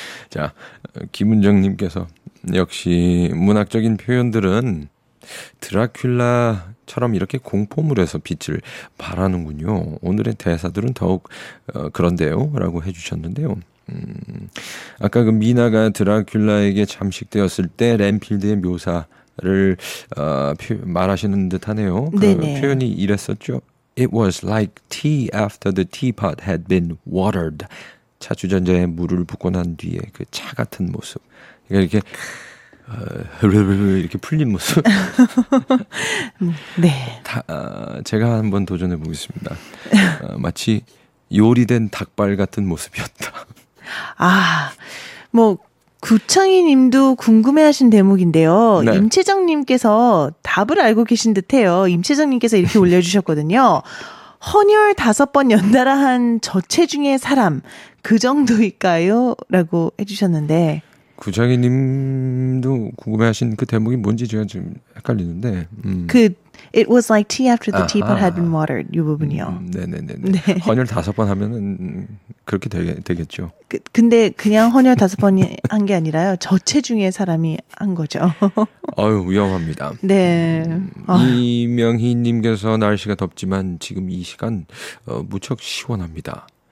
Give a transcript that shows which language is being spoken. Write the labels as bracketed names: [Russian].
[Korean] 자 김은정님께서 역시 문학적인 표현들은 드라큘라처럼 이렇게 공포물에서 빛을 발하는군요. 오늘의 대사들은 더욱 그런데요 라고 해주셨는데요. 아까 그 미나가 드라큘라에게 잠식되었을 때 랜필드의 묘사를 말하시는 듯하네요. 그 네네. 표현이 이랬었죠. [English] It was like tea after the teapot had been watered. [Korean] 차주전자에 물을 붓고 난 뒤에 그 차 같은 모습. 그러니까 이렇게 이렇게 풀린 모습. 네. 제가 한번 도전해 보겠습니다. 마치 요리된 닭발 같은 모습이었다. 아, 뭐 구창희님도 궁금해하신 대목인데요. 네. 임채정님께서 답을 알고 계신 듯해요. 임채정님께서 이렇게 올려주셨거든요. 헌혈 다섯 번 연달아 한 저체중의 사람 그 정도일까요? 라고 해주셨는데. 구창희님도 궁금해하신 그 대목이 뭔지 제가 지금 헷갈리는데. 그 [English] It was like tea after the teapot had been watered. [Korean] 이 부분이요. 네. 헌혈 다섯 번 하면은 그렇게 되겠죠. 근데 그냥 헌혈 다섯 번이 한 게 아니라요. 저체중의 사람이 한 거죠. 어유 위험합니다. 네. 이명희님께서 날씨가 덥지만 지금 이 시간 무척 시원합니다.